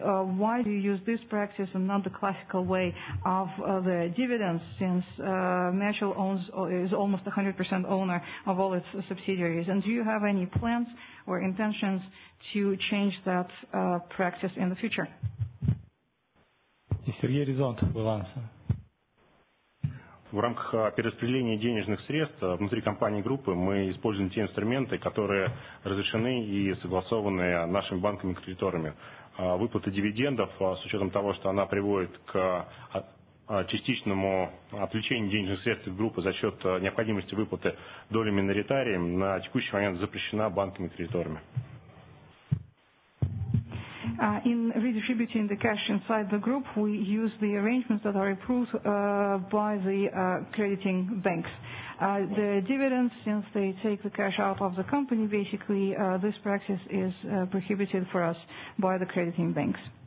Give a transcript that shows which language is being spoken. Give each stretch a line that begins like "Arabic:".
English: Why do you use this practice and not the classical way of the dividends, since Mitchell owns is almost 100% owner of all its subsidiaries? And do you have any plans or intentions to change that practice in the future? Сергей Резонт will answer.
Russian: В рамках перераспределения денежных средств внутри компании группы мы используем те инструменты, которые разрешены и согласованы нашими банками-кредиторами. Выплата дивидендов, с учетом того, что она приводит к частичному отвлечению денежных средств группы за счет необходимости выплаты доли миноритариям, на текущий момент запрещена банками-кредиторами.
English: In redistributing the cash inside the group, we use the arrangements that are approved by the crediting banks. The dividends, since they take the cash out of the company, basically this practice is prohibited for us by the crediting banks.